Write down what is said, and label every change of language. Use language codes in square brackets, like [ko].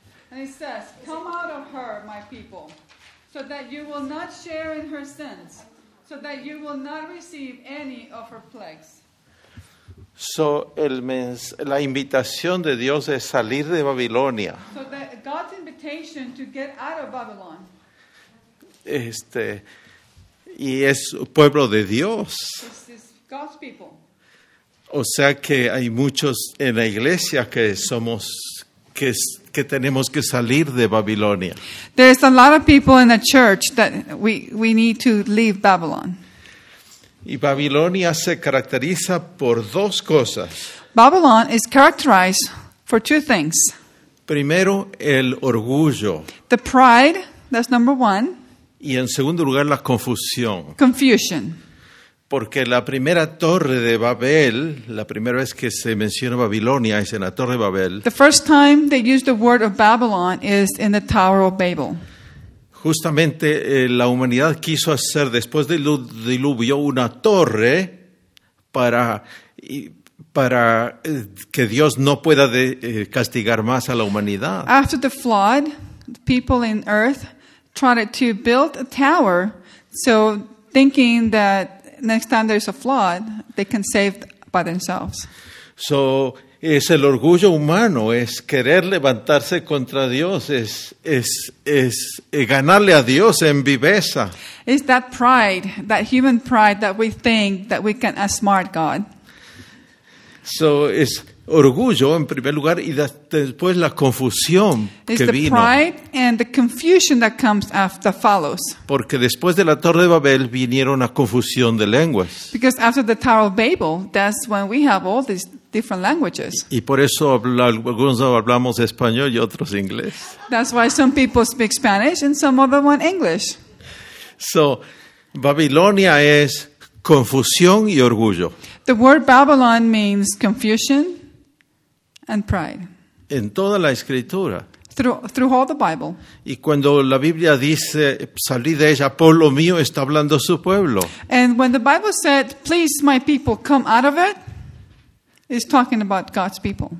[en] And it says, come out of her, my people, so that you will not share in her sins, so that you will not receive any of her plagues. [es] So, la invitación de Dios es salir de Babilonia. [en] So, that God's invitation to get out of Babylon. [es] Y es pueblo de Dios. [en] This is God's people. [es] O sea que hay muchos en la iglesia que somos que tenemos que salir de Babilonia. [en] There's a lot of people in the church that we need to leave Babylon. [es] Y Babilonia se caracteriza por dos cosas. [en] Babylon is characterized for two things. [es] Primero, el orgullo. [en] The pride, that's number one. [es] Y en segundo lugar, la confusión. [en] Confusion. [es] Porque la primera torre de Babel, la primera vez que se menciona Babilonia es en la torre de Babel. [en] The first time they use the word of Babylon is in the Tower of Babel. [es] Justamente la humanidad quiso hacer después del diluvio una torre para que Dios no pueda castigar más a la humanidad. [en] After the flood, the people in earth tried to build a tower, so thinking that next time there's a flood, they can save by themselves. [es] So, es el orgullo humano, es querer levantarse contra Dios, es ganarle a Dios en viveza. [en] It's that pride, that human pride that we think that we can outsmart God. [es] So, es orgullo en primer lugar y después la confusión que vino. [en] It's the pride and the confusion that comes after follows. [es] Porque después de la Torre de Babel vinieron la confusión de lenguas. [en] Because after the Tower of Babel, that's when we have all these different languages. [es] Y por eso algunos hablamos español y otros inglés. [en] That's why some people speak Spanish and some other one English. [es] So, Babilonia es confusión y orgullo. [en] The word Babylon means confusion and pride. [es] En toda la escritura. [en] Through all the Bible. [es] Y cuando la Biblia dice salir de ella, pueblo mío, está hablando su pueblo. [en] And when the Bible said, please my people, come out of it, it's talking about God's people.